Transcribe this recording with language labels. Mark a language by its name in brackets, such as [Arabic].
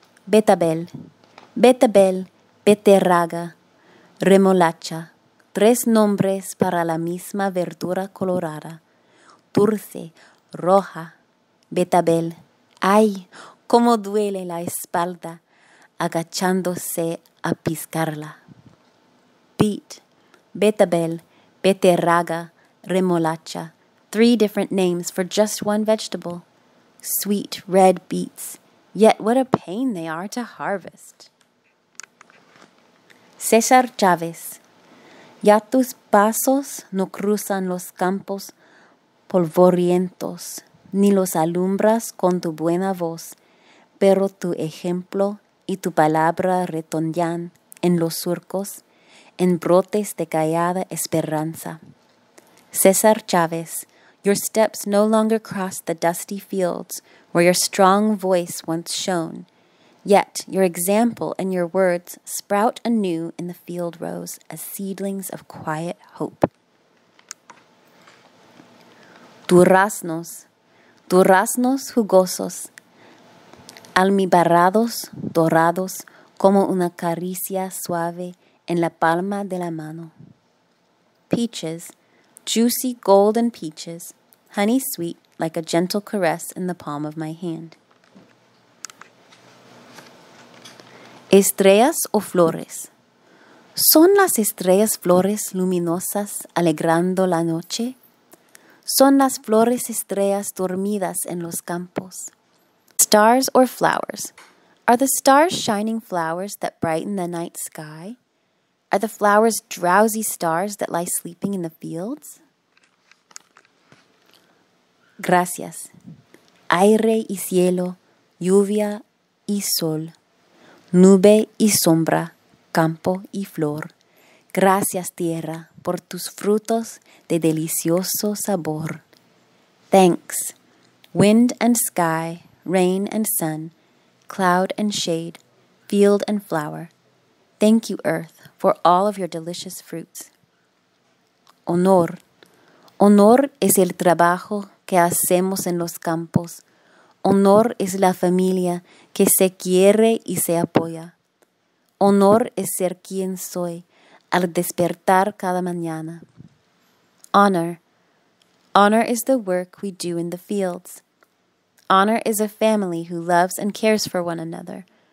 [Spanish] Betabel, betabel, beterraga, remolacha, tres nombres para la misma verdura colorada, dulce, roja, betabel, ay, cómo duele la espalda, agachándose a piscarla. [English] Beet, betabel, beterraga, remolacha, three different names for just one vegetable. Sweet red beets, yet what a pain they are to harvest. [Spanish] Cesar Chavez, ya tus pasos no cruzan los campos polvorientos, ni los alumbras con tu buena voz, pero tu ejemplo y tu palabra retoñan en los surcos, en brotes de callada esperanza. [English] Cesar Chavez, your steps no longer cross the dusty fields where your strong voice once shone, yet your example and your words sprout anew in the field rows as seedlings of quiet hope. [Spanish] Duraznos, duraznos jugosos, almibarrados, dorados, como una caricia suave en la palma de la mano. [English] Peaches, juicy golden peaches, honey sweet like a gentle caress in the palm of my hand. [Spanish] Estrellas o flores. ¿Son las estrellas flores luminosas alegrando la noche? ¿Son las flores estrellas dormidas en los campos? [English] Stars or flowers. Are the stars shining flowers that brighten the night sky? Are the flowers drowsy stars that lie sleeping in the fields? [Spanish] Gracias. Aire y cielo, lluvia y sol. Nube y sombra, campo y flor. Gracias, tierra, por tus frutos de delicioso sabor. [English] Thanks. Wind and sky, rain and sun, cloud and shade, field and flower. Thank you, earth, for all of your delicious fruits. [Spanish] Honor. Honor es el trabajo que hacemos en los campos. Honor es la familia que se quiere y se apoya. Honor es ser quien soy al despertar cada mañana. Honor. [English] Honor is the work we do in the fields. Honor is a family who loves and cares for one another.